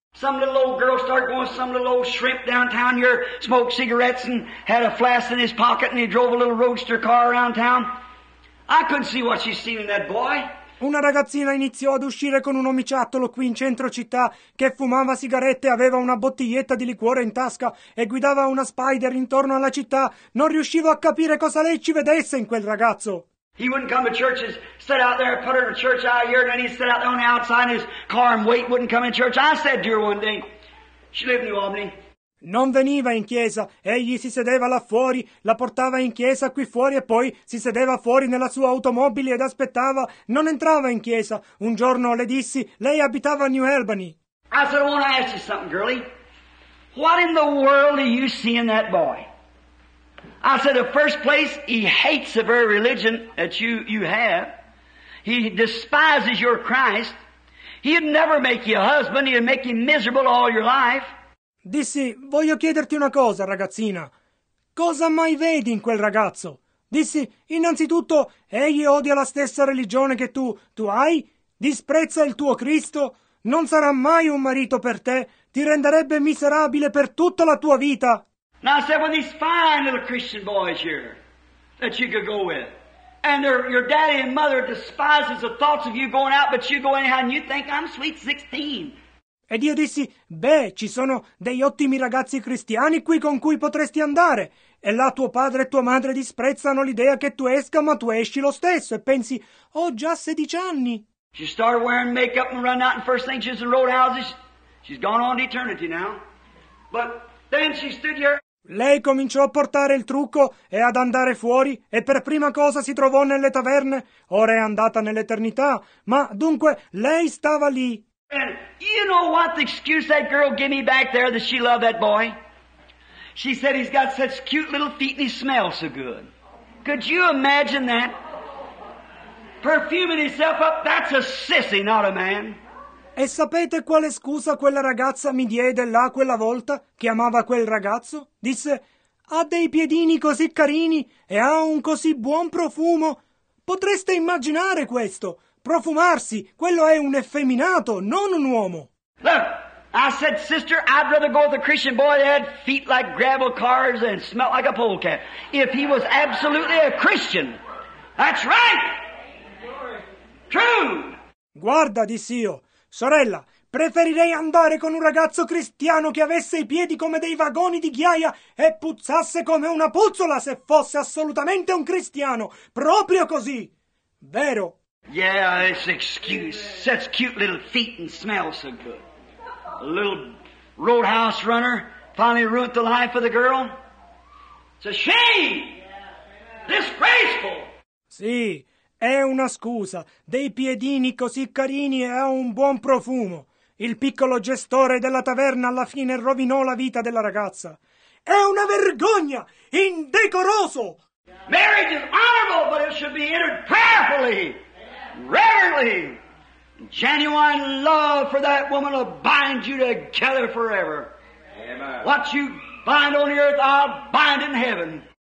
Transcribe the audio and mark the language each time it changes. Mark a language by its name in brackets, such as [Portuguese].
[English] Some little old girl started going with some little old shrimp downtown here, smoked cigarettes and had a flask in his pocket and he drove a little roadster car around town. I couldn't see what she's seen in that boy. [Italian] Una ragazzina iniziò ad uscire con un omiciattolo qui in centro città che fumava sigarette, aveva una bottiglietta di liquore in tasca e guidava una spider intorno alla città. Non riuscivo a capire cosa lei ci vedesse in quel ragazzo. [English] He wouldn't come to church, he'd sit out there, put her in a church out here, and then he'd sit out there on the outside in his car and wait, wouldn't come in church. I said to her one day, she lived in New Albany. [Italian] Non veniva in chiesa, egli si sedeva là fuori, la portava in chiesa qui fuori e poi si sedeva fuori nella sua automobile ed aspettava, non entrava in chiesa. Un giorno le dissi, lei abitava a New Albany. [English] I said, I want to ask you something, girlie. What in the world do you see in that boy? I said, the first place, he hates the very religion that you have. He despises your Christ. He'd never make you a husband, he'd make you miserable all your life. [Italian] Dissi, voglio chiederti una cosa, ragazzina. Cosa mai vedi in quel ragazzo? Dissi, innanzitutto, egli odia la stessa religione che tu hai, disprezza il tuo Cristo, non sarà mai un marito per te, ti renderebbe miserabile per tutta la tua vita. [English] Now I said, with these fine little Christian boys here that you could go with, and your daddy and mother despises the thoughts of you going out, but you go anyhow and you think I'm sweet 16. [Italian] Ed io dissi, beh, ci sono degli ottimi ragazzi cristiani qui con cui potresti andare. E là tuo padre e tua madre disprezzano l'idea che tu esca, ma tu esci lo stesso. E pensi, ho già 16 anni. [English] She started wearing makeup and run out in First Saint Joseph's and roadhouses. She's gone on to eternity now. But then she stood here. [Italian] Lei cominciò a portare il trucco e ad andare fuori e per prima cosa si trovò nelle taverne. Ora è andata nell'eternità. Ma dunque, lei stava lì. [English] And you know what the excuse that girl gave me back there that she loved that boy? She said he's got such cute little feet and he smells so good. Could you imagine that? Perfuming himself up, that's a sissy, not a man. [Italian] E sapete quale scusa quella ragazza mi diede là quella volta che amava quel ragazzo? Disse, ha dei piedini così carini e ha un così buon profumo. Potreste immaginare questo? Profumarsi, quello è un effeminato, non un uomo. [English] Look, I said, sister, I'd rather go with a Christian boy that had feet like gravel cars and smelled like a polecat. If he was absolutely a Christian. That's right. True. [Italian] Guarda, dissi io, sorella, preferirei andare con un ragazzo cristiano che avesse i piedi come dei vagoni di ghiaia e puzzasse come una puzzola se fosse assolutamente un cristiano. Proprio così. Vero. [English] Yeah, it's excuse. Such cute little feet and smells so good. A little roadhouse runner finally ruined the life of the girl. It's a shame! Disgraceful! [Italian] Sì, è una scusa. Dei piedini così carini e ha un buon profumo. Il piccolo gestore della taverna alla fine rovinò la vita della ragazza. È una vergogna! Indecoroso! [English] Marriage is honorable, but it should be entered prayerfully! Rarely, genuine love for that woman will bind you together forever. Amen. What you bind on earth, I'll bind in heaven.